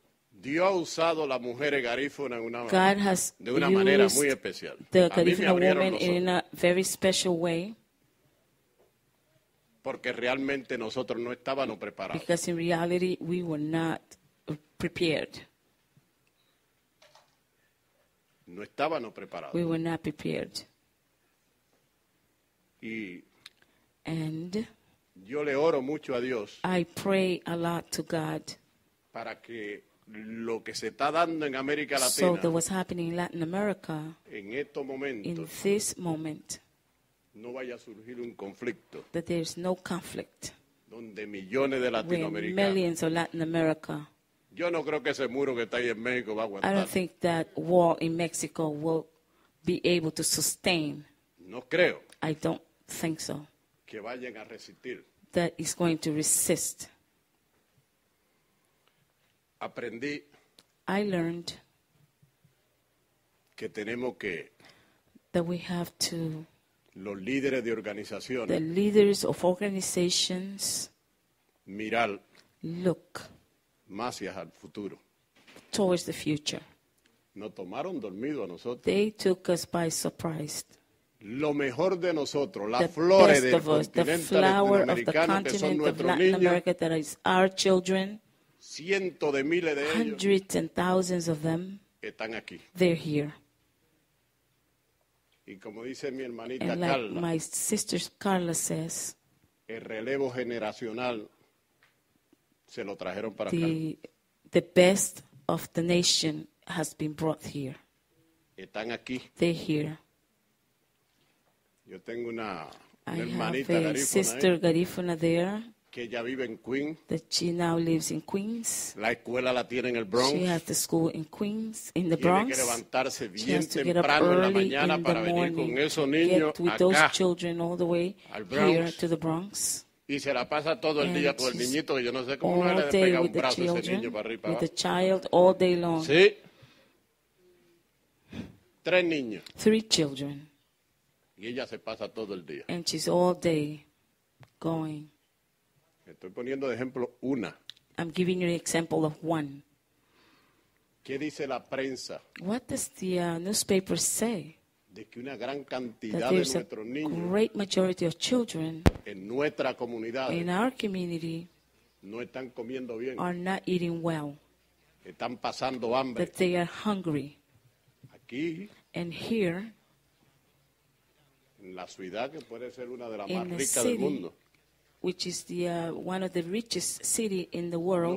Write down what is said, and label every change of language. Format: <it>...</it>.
<es>Dios ha usado la mujer garífuna en una</es> <en>God has</en> <es>de una</es> <en>used</en> <es>manera muy especial.</es> <en>The garífuna woman in a very special way.</en> <es>Porque realmente nosotros no estábamos preparados.</es> <en>Because in reality we were not prepared.</en> <es>No estábamos preparados.</es> <en>We were not prepared.</en> <es>Y</es> <en>And</en> <es>yo le oro mucho a Dios.</es> <en>I pray a lot to God.</en> <es>Para que lo que se está dando en América Latina.</es> <en>So that what's happening in Latin America.</en> <es>En estos momentos.</es> <en>In this moment.</en> <es>No vaya a surgir un conflicto.</es> <en>That there's no conflict.</en> <es>Donde millones de latinoamericanos.</es> <en>Where millions of Latin America.</en> <es>Yo no creo que ese muro que está ahí en México va a aguantar.</es> <en>I don't think that wall in Mexico will be able to sustain.</en> <es>No creo.</es> <en>I don't think so.</en> <es>Que vayan a resistir.</es> <en>That is going to resist.</en> <es>Aprendí.</es> <en>I learned.</en> <es>Que tenemos que.</es> <en>That we have to.</en> <es>Los líderes de organizaciones.</es> <en>The leaders of organizations.</en> <es>Mirar.</es> <en>Look.</en> <es>Más hacia el futuro.</es> <en>Towards the future.</en> <es>Nos tomaron dormido a nosotros.</es> <en>They took us by surprise.</en> <es>Lo mejor de nosotros, las flores del continente latinoamericano,</es> <en>the flower of the continent of Latin America that is our children.</en> <es>Cientos de miles de ellos.</es> <en>Hundreds and thousands of them.</en> <es>Están aquí.</es> <en>They're here.</en> <es>Y como dice mi hermanita</es> <en>and like</en> <es>Carla.</es> <en>My sister Carla says.</en> <es>El relevo generacional. Se lo trajeron para</es> <en>the,</en> <es>acá.</es> <en>The best of the nation has been brought here.</en> <es>Están aquí.</es> <en>They're here.</en> <es>Yo tengo una</es> <en>I have a</en> <es>garífuna</es> <en>sister garífuna there.</en> <es>que ella vive en Queens.</es> <en>That she now lives in Queens.</en> <es>La escuela la tiene en el Bronx.</es> <en>She has the school in Queens, in the Bronx.</en> <es>Tiene que levantarse bien temprano en la mañana para venir con esos niños</es> <en>with</en> <es>acá,</es> <en>those children all the way here to the Bronx.</en> <es>Y se la pasa todo el día con el niñito, que yo no sé cómo no le despega un brazo a ese niño para arriba.</es> <en>With the child all day long.</en> <es>Sí. Tres niños.</es> <en>Three children.</en> <es>Y ella se pasa todo el día.</es> <en>And she's all day going.</en> <es>Estoy poniendo de ejemplo una.</es> <en>I'm giving you an example of one.</en> <es>¿Qué dice la prensa?</es> <en>What does the newspaper say?</en> <es>De que una gran cantidad de nuestros niños,</es> <en>great majority of children,</en> <es>en nuestra comunidad,</es> <en>in our community,</en> <es>no están comiendo bien,</es> <en>are not eating well,</en> <es>están pasando hambre,</es> <en>that they are hungry.</en> <es>Aquí,</es> <en>and here,</en> <es>en la ciudad que puede ser una de las más ricas del mundo,</es> <en>which is the one of the richest city in the world.</en>